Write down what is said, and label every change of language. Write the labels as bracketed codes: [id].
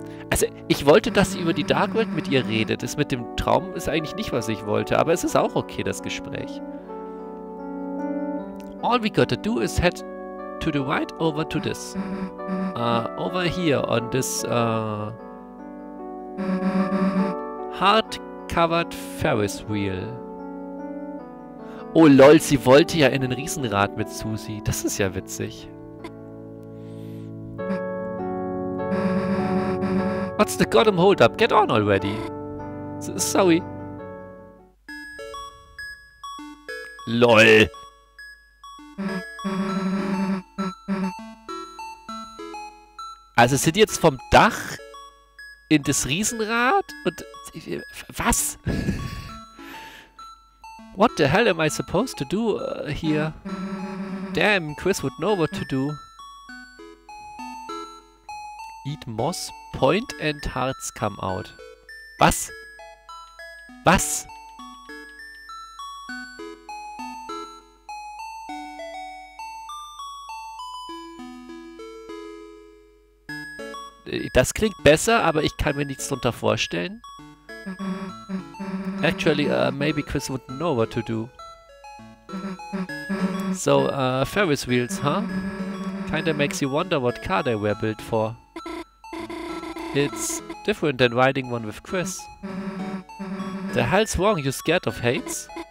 [de] Also, ich wollte, dass sie über die Dark World mit ihr redet. Das mit dem Traum ist eigentlich nicht, was ich wollte, aber es ist auch okay, das Gespräch. [en] All we gotta do is head to the right over to this. Over here on this, hard-covered Ferris Wheel. [de] Oh lol, sie wollte ja in den Riesenrad mit Susie. Das ist ja witzig. [en] What's the goddamn hold up? Get on already. Sorry. LOL. [de] Also sind jetzt vom Dach in das Riesenrad und... Was? [en] What the hell am I supposed to do here? Damn, Chris would know what to do. Eat moss, point and hearts come out. [de] Was? Was? D Das klingt besser, aber ich kann mir nichts drunter vorstellen. [en] Actually, maybe Chris wouldn't know what to do. So, Ferris wheels, huh? Kinda makes you wonder what car they were built for. It's different than riding one with Chris. The hell's wrong, you scared of Hades?